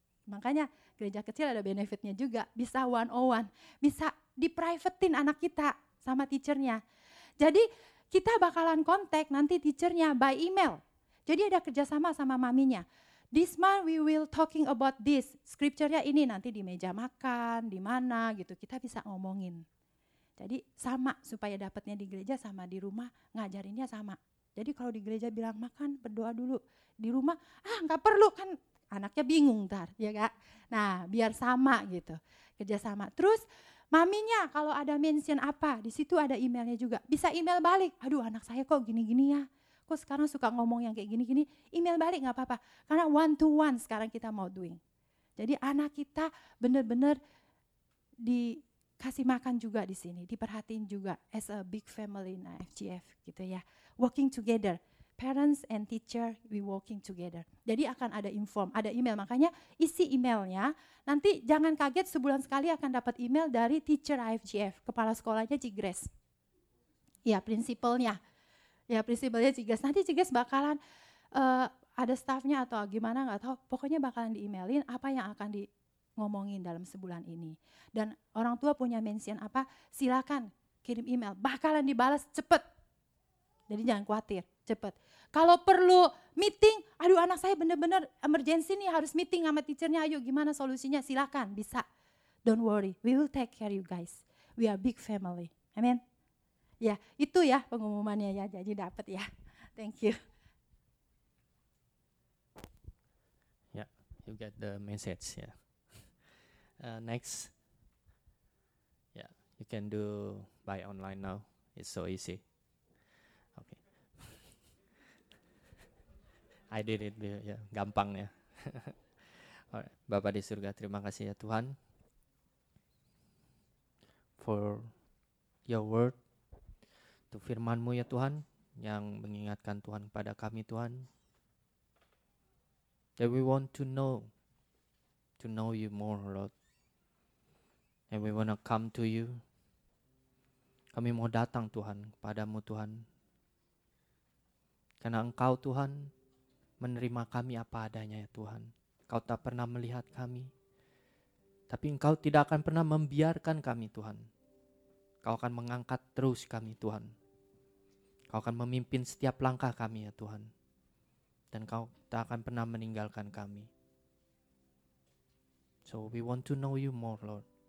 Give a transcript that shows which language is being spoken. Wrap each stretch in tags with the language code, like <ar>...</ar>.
<id>Makanya gereja kecil ada benefitnya juga, bisa 101. Bisa di-private-in anak kita sama teachernya. Jadi kita bakalan kontak nanti teachernya by email. Jadi ada kerjasama sama maminya.</id> <en>This month we will talking about this.</en> <id>Scripture-nya ini nanti di meja makan, di mana gitu, kita bisa ngomongin. Jadi sama, supaya dapatnya di gereja sama di rumah, ngajarinnya sama. Jadi kalau di gereja bilang makan, berdoa dulu. Di rumah, enggak perlu, kan anaknya bingung ntar, ya enggak? Nah, biar sama gitu, kerjasama. Terus, maminya kalau ada mention apa, di situ ada emailnya juga. Bisa email balik, aduh anak saya kok gini-gini ya. Kok sekarang suka ngomong yang kayak gini-gini, email balik enggak apa-apa. Karena</id> <en>one to one</en> <id>sekarang kita mau doing. Jadi anak kita benar-benar di kasih makan juga di sini, diperhatiin juga</id> <en>as a big family</en> <id>in IFGF gitu ya.</id> <en>Working together, parents and teacher, we working together.</en> <id>Jadi akan ada inform, ada email, makanya isi emailnya. Nanti jangan kaget sebulan sekali akan dapat email dari teacher IFGF, kepala sekolahnya Cigres. Ya, prinsipalnya. Ya, prinsipalnya Cigres. Nanti Cigres bakalan ada staffnya atau gimana, gak tahu. Pokoknya bakalan di-emailin apa yang akan di ngomongin dalam sebulan ini. Dan orang tua punya mention apa, silakan kirim email, bakalan dibalas cepat. Jadi jangan khawatir, cepat. Kalau perlu meeting, aduh anak saya benar-benar emergency nih, harus meeting sama teachernya, ayo gimana solusinya, silakan, bisa.</id> <en>Don't worry, we will take care you guys. We are big family. Amen.</en> <id>Ya, itu ya pengumumannya ya, jadi dapat ya.</id> <en>Thank you. Ya, yeah, you get the message ya. Yeah. Next, yeah, you can do buy online now. It's so easy. Okay, I did it. Yeah,</en> <id>gampang ya.</id> <en>Alright,</en> <id>Bapa di surga, terima kasih ya Tuhan</id> <en>for your word.</en> <id>itu firman-Mu ya Tuhan, yang mengingatkan Tuhan kepada kami Tuhan.</id> <en>That we want to know you more Lord. And we want to come to you.</en> <id>Kami mau datang Tuhan, kepada-Mu Tuhan. Karena Engkau Tuhan menerima kami apa adanya ya Tuhan. Kau tak pernah melihat kami. Tapi Engkau tidak akan pernah membiarkan kami Tuhan. Kau akan mengangkat terus kami Tuhan. Kau akan memimpin setiap langkah kami ya Tuhan. Dan Kau tak akan pernah meninggalkan kami.</id> <en>So we want to know you more Lord.</en>